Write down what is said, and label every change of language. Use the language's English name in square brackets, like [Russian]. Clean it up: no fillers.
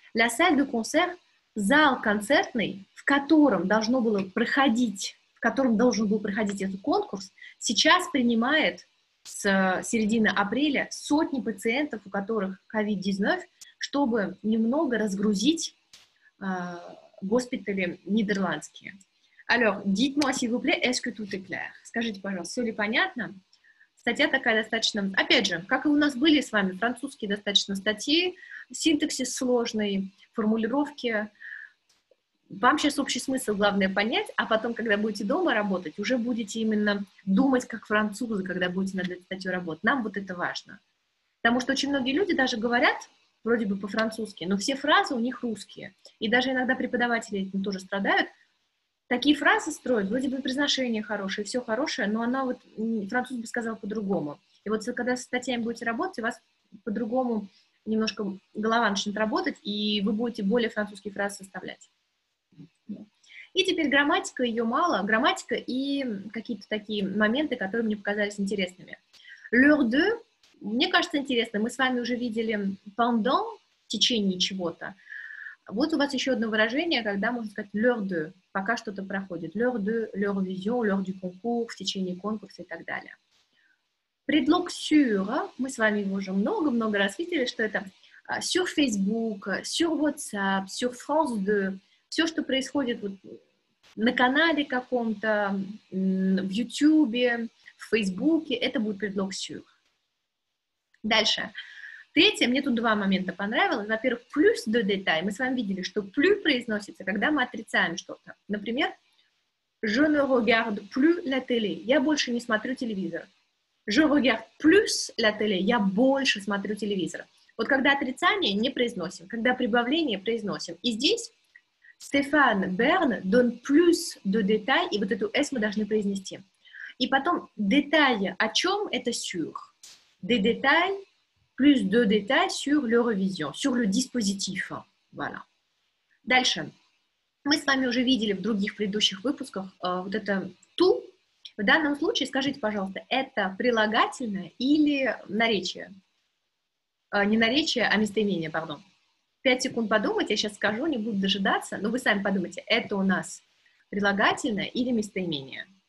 [French] La salle de concert, [Russian] зал концертный, в котором должно было проходить, в котором должен был проходить этот конкурс, сейчас принимает с середины апреля сотни пациентов, у которых COVID-19, чтобы немного разгрузить госпитали нидерландские. [French] Alors, dites-moi, s'il vous plaît, est-ce que tout est clair? [Russian] Скажите, пожалуйста, все ли понятно? Статья такая достаточно... Опять же, как и у нас были с вами французские достаточно статьи, синтаксис сложный, формулировки. Вам сейчас общий смысл главное понять, а потом, когда будете дома работать, уже будете именно думать как французы, когда будете над этой статьей работать. Нам вот это важно. Потому что очень многие люди даже говорят вроде бы по-французски, но все фразы у них русские. И даже иногда преподаватели этим тоже страдают. Такие фразы строят, вроде бы произношение хорошее, все хорошее, но она вот, француз бы сказал по-другому. И вот когда со статьями будете работать, у вас по-другому немножко голова начнет работать, и вы будете более французские фразы составлять. И теперь грамматика, ее мало. Грамматика и какие-то такие моменты, которые мне показались интересными. L'heure de, мне кажется, интересно. Мы с вами уже видели pendant, в течение чего-то. Вот у вас еще одно выражение, когда можно сказать l'heure de, пока что-то проходит. L'heure de, l'heure vision, [French] l'heure du concours, [Russian] в течение конкурса и так далее. Предлог sur, мы с вами его уже много-много раз видели, что это sur Facebook, sur WhatsApp, sur France 2, все, что происходит вот на канале каком-то, в YouTube, в Facebook, это будет предлог sur. Дальше. Третье, мне тут два момента понравилось. Во-первых, plus de détail. Мы с вами видели, что plus произносится, когда мы отрицаем что-то. [French] Например, je ne regarde plus la télé. [Russian] Я больше не смотрю телевизор. [French] Je regarde plus la télé. [Russian] Я больше смотрю телевизор. Вот когда отрицание, не произносим. Когда прибавление, произносим. И здесь Стефан Берн [French] donne plus de détail. [Russian] И вот эту S мы должны произнести. И потом детали. О чем это sur? [French] De détail. Plus de détails sur l'Eurovision, sur le dispositif. Voilà. Дальше. [Russian] Мы с вами уже видели в других предыдущих выпусках вот это to. В данном случае, скажите, пожалуйста, это прилагательное или наречие? Не наречие, а местоимение, pardon. 5 секунд подумать, я сейчас скажу, не буду дожидаться, но вы сами подумайте, это у нас прилагательное или местоимение?